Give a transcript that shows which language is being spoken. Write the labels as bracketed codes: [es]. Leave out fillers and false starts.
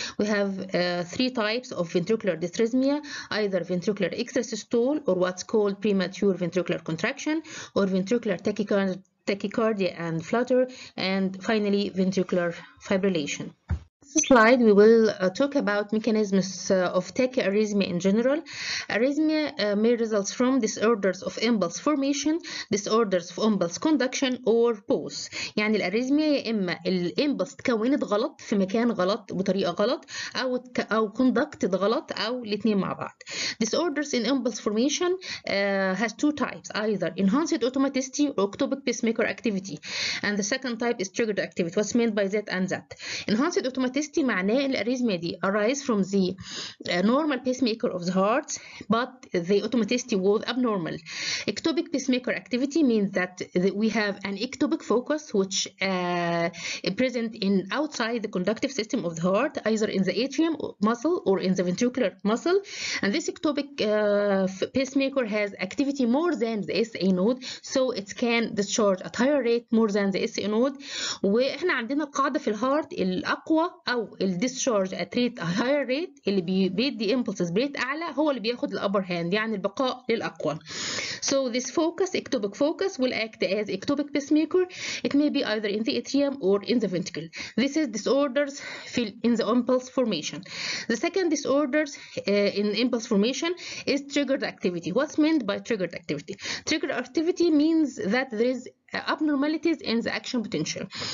[en] We have three types of ventricular dysrhythmia: either ventricular extrasystole or what's called premature ventricular contraction, or ventricular tachycardia and flutter, and finally ventricular fibrillation. Slide, we will talk about mechanisms of tachyarrhythmia in general. Arrhythmia may result from disorders of impulse formation, disorders of impulse conduction, or both. [ar] يعني الأرrhythmia يا إما الإمبلس تكونت غلط في مكان غلط بطريقة غلط أو conducted غلط أو الاثنين مع بعض. [en] Disorders in impulse formation has two types, either enhanced automaticity or ectopic pacemaker activity. And the second type is triggered activity. What's meant by that and that? Enhanced automaticity [ar] معناه الأريزميا دي [en] arise from the normal pacemaker of the heart, but the automaticity was abnormal. Ectopic pacemaker activity means that we have an ectopic focus which is present in outside the conductive system of the heart, either in the atrium muscle or in the ventricular muscle. And this ectopic pacemaker has activity more than the SA node, so it can discharge at higher rate more than the SA node. [ar] وإحنا عندنا القاعدة في الهارت الأقوى أو الديسشارج [en] at rate a higher rate [ar] اللي بيدي impulses rate أعلى هو اللي بياخد الأبر هاند يعني البقاء للأقوى. [en] So this focus, ectopic focus, will act as ectopic pacemaker. It may be either in the atrium or in the ventricle. This is disorders in the impulse formation. The second disorders in impulse formation is triggered activity. What's meant by triggered activity? Triggered activity means that there is abnormalities in the action potential.